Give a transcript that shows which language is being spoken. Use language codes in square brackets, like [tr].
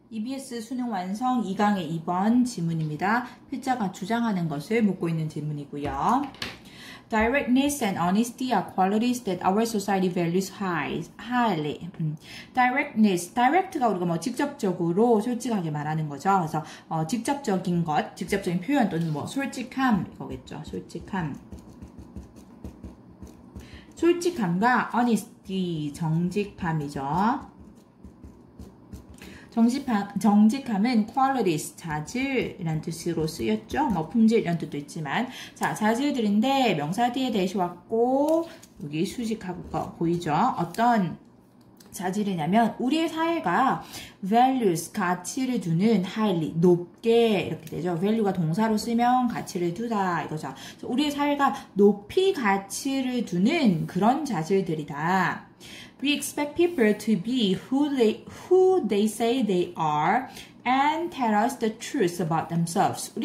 [ko] EBS 수능 완성 2강의 2번 질문입니다. 필자가 주장하는 것을 묻고 있는 질문이고요. [en] Directness and honesty are qualities that our society values highly. [ko] Directness, direct가 우리가 뭐 직접적으로 솔직하게 말하는 거죠. 그래서 직접적인 것, 직접적인 표현 또는 뭐 솔직함 이거겠죠. 솔직함. 솔직함과 honesty, 정직함이죠. 정직함은 qualities, 자질이란 뜻으로 쓰였죠. 뭐 품질이란 뜻도 있지만, 자, 자질들인데 명사 뒤에 대시 왔고 여기 수식하고 보이죠. 어떤 자질이냐면 우리의 사회가 values, 가치를 두는 highly, 높게 이렇게 되죠. value가 동사로 쓰면 가치를 두다 이거죠. 우리의 사회가 높이 가치를 두는 그런 자질들이다. [en] We expect people to be who they say they are and tell us the truth about themselves.